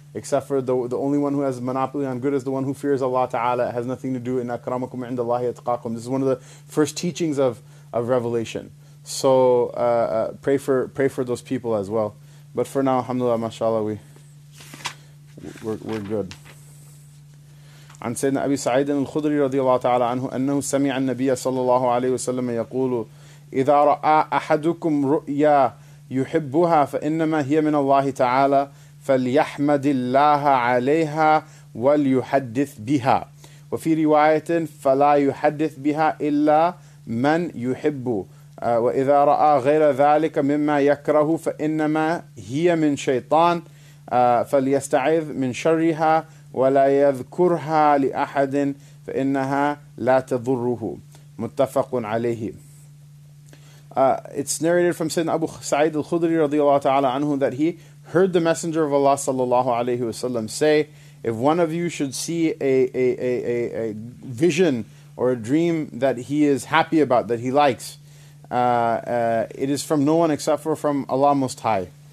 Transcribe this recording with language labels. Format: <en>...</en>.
<en>Except for the only one who has a monopoly on good is the one who fears Allah Ta'ala. It has nothing to do in akramakum inda Allahi atqakum. This is one of the first teachings of revelation. So pray for those people as well. But for now, alhamdulillah, mashallah, we're good.</en> <ar>عن سيدنا أبي سعيد الخدري رضي الله تعالى عنه أنه سمع النبي صلى الله عليه وسلم يقول إذا رأى أحدكم رؤيا يحبها فإنما هي من الله تعالى فليحمد الله عليها وليحدث بها وفي رواية فلا يحدث بها إلا من يحب وإذا رأى غير ذلك مما يكره فإنما هي من شيطان فليستعذ من شرها ولا يذكرها لأحد فإنها لا تضره متفق عليه.</ar> <en>It's narrated from Sayyidina Abu Sa'id al-Khudri radiyallahu ta'ala anhu that he heard the Messenger of Allah sallallahu alayhi wa sallam say, if one of you should see a vision or a dream that he is happy about, that he likes, it is from no one except for from Allah Most High.</en>